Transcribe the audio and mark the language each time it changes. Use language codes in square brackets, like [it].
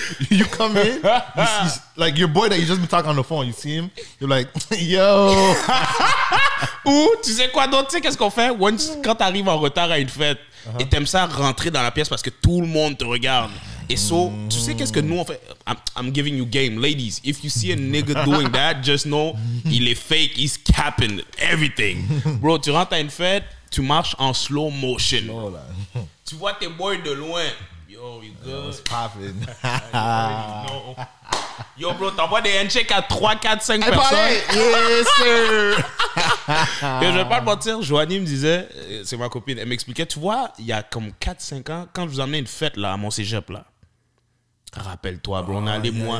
[en] You come in, like your boy that you just been talking on the phone. You see him, you're like, yo. [fr] Ou tu sais quoi d'autre? Tu sais qu'est-ce qu'on fait? Quand t'arrives en retard à une fête. Uh-huh. Et t'aimes ça rentrer dans la pièce parce que tout le monde te regarde. Et so, tu sais qu'est-ce que nous on fait? [en] I'm giving you game. Ladies, if you see a nigga doing that, just know, [fr] il est fake, [en] he's capping everything. [fr] Bro, tu rentres à une fête, tu marches en slow motion. Slow, là. Tu vois tes boys de loin. [en] Yo, you good? What's popping? [fr] Yo, bro, t'envoies des handshakes à 3, 4, 5 personnes. [en] Yes, sir. [fr] Et je vais pas te mentir, Joanie me disait, c'est ma copine, elle m'expliquait, tu vois, il y a comme 4, 5 ans, quand je vous emmenais une fête là, à mon cégep là, rappelle-toi, bro, on est allé moi.